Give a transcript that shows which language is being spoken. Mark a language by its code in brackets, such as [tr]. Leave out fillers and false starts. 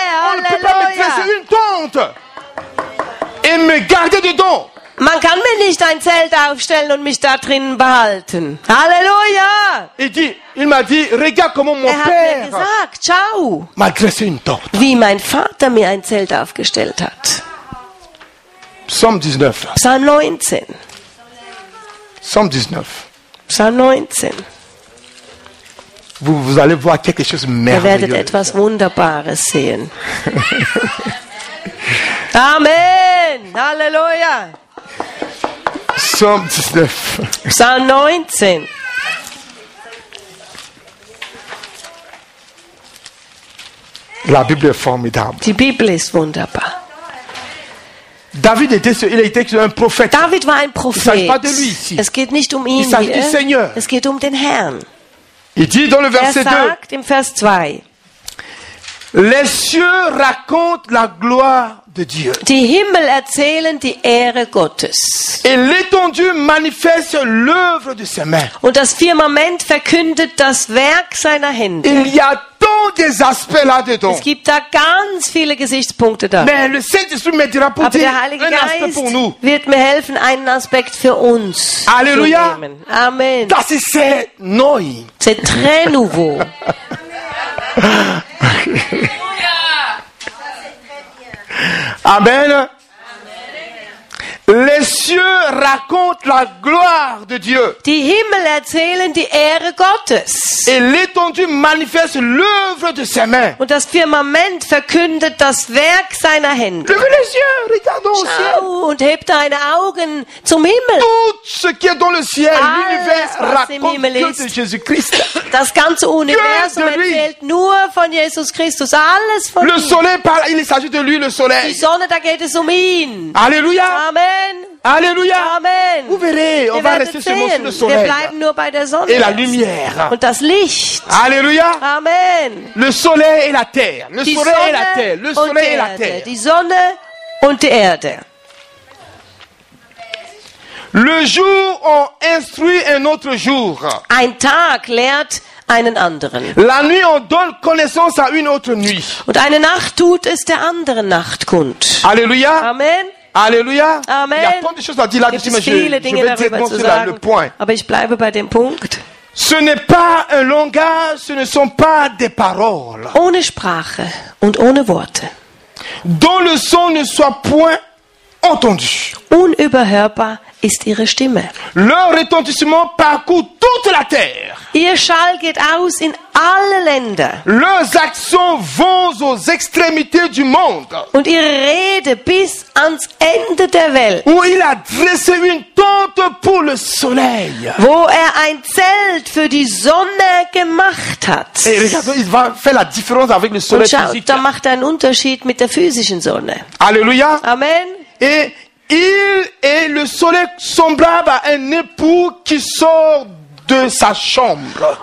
[fr] On ne peut pas me dresser une tente. et me garder dedans. [de] Man kann mir nicht ein Zelt aufstellen und mich da drinnen behalten. Halleluja! [fr] Il m'a dit, regarde comment mon [de] père. Er hat mir gesagt, schau. [fr] M'a dressé une tente. [de] Wie mein Vater mir ein Zelt aufgestellt hat. Psalm 19. Psalm 19. Psalm 19. Psalm 19. [fr] Vous allez voir quelque chose merveilleux. [de] Ihr werdet etwas Wunderbares sehen. Amen! Halleluja! Psalm 19. Psalm 19. [fr] La Bible est formidable. [de] Die Bibel ist wunderbar. [fr] David était, il était un prophète. [de] David war ein Prophet. [fr] Il s'agit pas de lui ici. [de] Es geht nicht um ihn. [fr] Il s'agit du Seigneur. [de] Es geht um den Herrn. [fr] Il dit dans le verset 2. [de] Er sagt im Vers 2. [fr] Les cieux racontent la gloire de Dieu. [de] Die Himmel erzählen die Ehre Gottes. [fr] Et l'étendue manifeste l'œuvre de ses mains. [de] Und das Firmament verkündet das Werk seiner Hände. [fr] Il y a tant des aspects là-dedans. [de] Es gibt da ganz viele Gesichtspunkte da. [fr] Mais le Saint-Esprit me dira pour dire un aspect pour nous. [de] Wird mir helfen, einen Aspekt für uns. [fr] Alléluia. [de] Amen. Das ist sehr neu. [fr] C'est très nouveau. Amen. Amen. Les cieux racontent la gloire de Dieu. [de] Die Himmel erzählen die Ehre Gottes. [fr] Et l'étendue manifeste l'œuvre de ses mains. [de] Und das Firmament verkündet das Werk seiner Hände. [fr] Levez les yeux, regardons au ciel. [de] Schau und heb deine Augen zum Himmel. [fr] Tout ce qui est dans le ciel, l'univers raconte que de Jésus-Christ. [de] Das ganze Universum erzählt nur von Jesus Christus. Alles von [fr] le [de] ihm. [fr] Soleil parle, il s'agit de lui, le soleil. [de] Die Sonne, da geht es um ihn. [fr] Alléluia. [de] Amen. [fr] Alléluia. [de] Amen. [fr] Vous verrez, on [de] wir [fr] va rester seulement sur le soleil. [de] Wir bleiben nur bei der Sonne. [fr] Et la lumière. [de] Und das Licht. [fr] Alléluia. [de] Amen. [fr] Le soleil et la terre. Le soleil et la terre. Le soleil et la terre. [de] Die Sonne und die Erde. [fr] Le jour en instruit un autre jour. [de] Ein Tag lehrt einen anderen. [fr] La nuit on donne connaissance à une autre nuit. [de] Und eine Nacht tut es der anderen Nacht kund. [fr] Alléluia. [de] Amen. [fr] Alléluia. [de] Amen. [fr] Il y a tant de choses à dire là-dessus, mais je vais directement sur le point. [de] Aber ich bleibe bei dem Punkt. [fr] Ce n'est pas un langage, ce ne sont pas des paroles. [de] Ohne Sprache und ohne Worte. [fr] Dont le son ne soit point entendu. [de] Unüberhörbar ist ihre Stimme. [fr] Leur retentissement parcourt toute la terre. [de] Ihr Schall geht aus in alle Länder. [fr] Leurs actions vont aux extrémités du monde. [de] Und ihre Rede bis ans Ende der Welt. [fr] Où il a dressé une tente pour le soleil. [de] Wo er ein Zelt für die Sonne gemacht hat. [fr] Et regarde, il va faire la différence avec le soleil physique. [de] Und schaut, da macht er einen Unterschied mit der physischen Sonne. [fr] Alléluia. [de] Amen. [fr] Et il est le soleil semblable à un époux qui sort de sa chambre.